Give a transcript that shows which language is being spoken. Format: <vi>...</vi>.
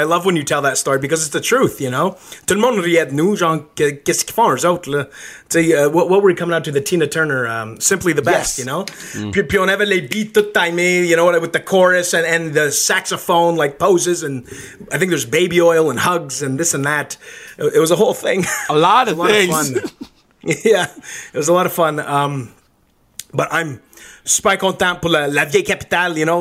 <en>I love when you tell that story because it's the truth, you know?</en> <fr>Tout le monde riait de nous, genre, qu'est-ce qu'ils font, eux autres, là? Tu sais,</fr> <en>what were we coming out to? The Tina Turner, Simply the Best, you know? Mm.</en> <fr>Puis on avait les beats tout timé,</fr> <en>you know, with the chorus and the saxophone, like, poses, and I think there's baby oil and hugs and this and that. It was a whole thing. A lot of things. Yeah, it was a lot of fun. But I'm super content</en> <fr>pour la vieille capitale,</fr> <en>you know.</en>